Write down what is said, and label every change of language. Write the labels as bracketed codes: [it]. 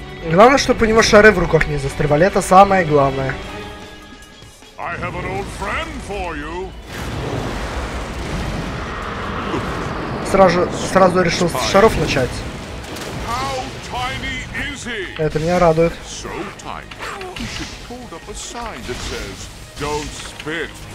[ru] Главное, чтобы у него шары в руках не застревали. Это самое главное. [en] I have an old friend for you. [ru] Сразу решил с шаров начать. [en] How tiny is he? [ru] Это меня радует. [en] So tiny. He should hold up a sign that says, "Don't spit.